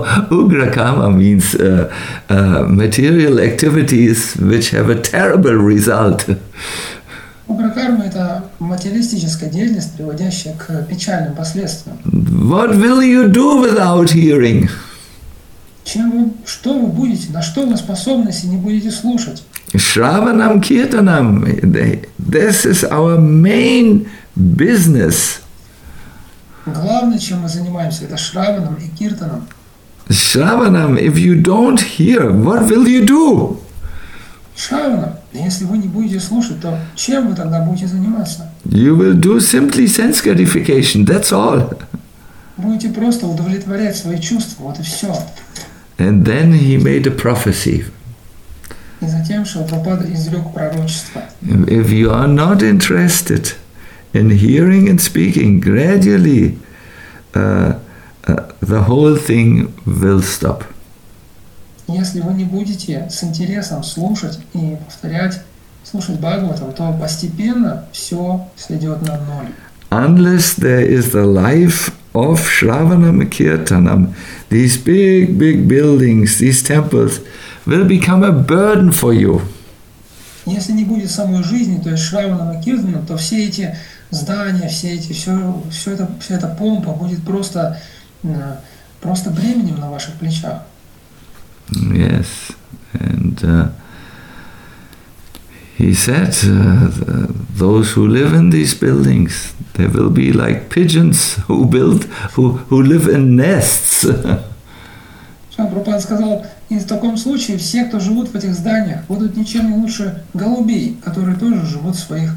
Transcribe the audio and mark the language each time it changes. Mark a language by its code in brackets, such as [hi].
[en] Ugrakama means material activities which have a terrible result. [ru] Ugrakarma – это материалистическая деятельность, приводящая к печальным последствиям. [en] What will you do without hearing? [ru] Что вы будете, на что вы способны, если не будете слушать? [en] Shravanam Kirtanam – this is our main business. [ru] Главное, чем мы занимаемся, это шраванам и киртанам. [en] Shravanam, if you don't hear, what will you do? [ru] Shravanam, если вы не будете слушать, то чем вы тогда будете заниматься? [en] You will do simply sense gratification, that's all. [ru] Будете просто удовлетворять свои чувства, вот и все. [en] And then he made a prophecy. [ru] И затем Шрила Прабхупада изрек пророчество. [en] If you are not interested in hearing and speaking, gradually the whole thing will stop. [ru] Если вы не будете с интересом слушать и повторять, слушать Бхагаватам, то постепенно все сойдет на ноль. [en] Unless there is the life of Shravanam Kirtanam, these big, big buildings, these temples will become a burden for you. [ru] Если не будет самой жизни, то есть Шраванам и Киртанам, то все эти здания, все эти, все эта помпа будет просто бременем на ваших плечах. [en] Yes, and he said, those who live in these buildings, they will be like pigeons who live in nests. [ru] Прабхупада сказал, и в таком случае все, кто живут в этих зданиях, будут ничем не лучше голубей, которые тоже живут в своих